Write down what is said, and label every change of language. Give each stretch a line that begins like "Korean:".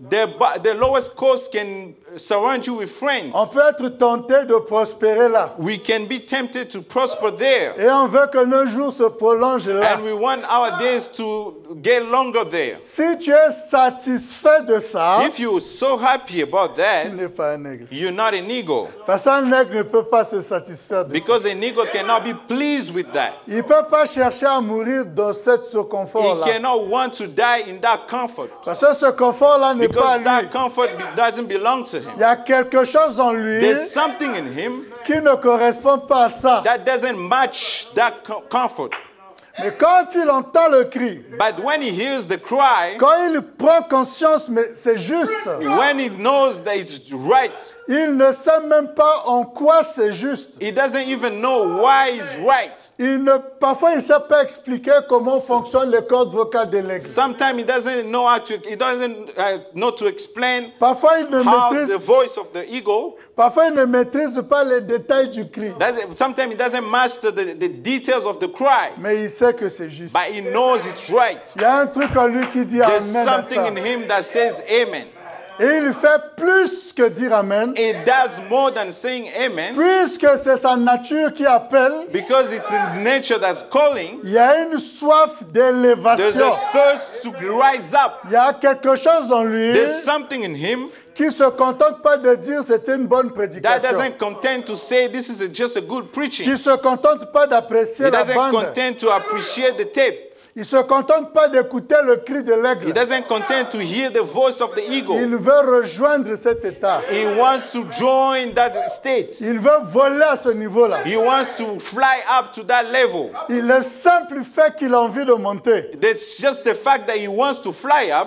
English: The lowest courts can surround you with friends.
French: On peut être tenté de prospérer là.
English: We can be tempted to prosper there.
French: Et on veut que nos jours se prolongent là.
English: And we want our days to get longer there.
French: Si tu es satisfait de ça,
English: if you are so happy about that,
French: tu n'es pas un aigle.
English: You're not an eagle.
French: Parce qu'un aigle ne peut pas se satisfaire de
English: because Because an eagle cannot be pleased with that.
French: Il peut pas chercher à mourir dans ce confort là.
English: He cannot want to die in that comfort.
French: Parce que ce confort là n'est
English: because
French: pas
English: because that
French: lui.
English: Comfort doesn't belong to
French: il y a quelque chose en lui.
English: There's something in him
French: qui ne correspond pas à ça.
English: That doesn't match that comfort.
French: Mais quand il entend le cri,
English: but when he hears the cry,
French: quand il prend conscience, mais c'est juste.
English: When he knows that it's right,
French: il ne sait même pas en quoi c'est juste.
English: He doesn't even know why it's right.
French: Parfois, il ne sait pas expliquer comment fonctionne les cordes vocales de l'aigle.
English: Sometimes he doesn't know how to. He doesn't know to explain.
French: Parfois, il ne maîtrise
English: the voice of the eagle.
French: Parfois, il ne maîtrise pas les détails du cri.
English: Sometimes he doesn't master the details of the cry.
French: Mais il sait que c'est juste.
English: But he knows it's right.
French: Il y a un truc en lui qui dit
English: there's amen. There's something in him that says amen.
French: Et il fait plus que dire amen.
English: He does more than saying amen.
French: Puisque c'est sa nature qui appelle.
English: Because it's his nature that's calling.
French: Il y a une soif d'élévation.
English: There's a thirst to rise up.
French: Il y a quelque chose en lui.
English: There's something in him.
French: Qui se contente pas de dire c'est une bonne prédication.
English: That doesn't content to say this is just a good preaching.
French: Qui se contente pas d'apprécier la bande.
English: He doesn't content to appreciate the tape.
French: Il se contente pas d'écouter le cri de l'aigle.
English: He doesn't content to hear the voice of the eagle.
French: Il veut rejoindre cet état.
English: He wants to join that state.
French: Il veut voler à ce niveau-là.
English: He wants to fly up to that level.
French: Il est simple fait qu'il a envie de monter.
English: That's just the fact that he wants to fly up.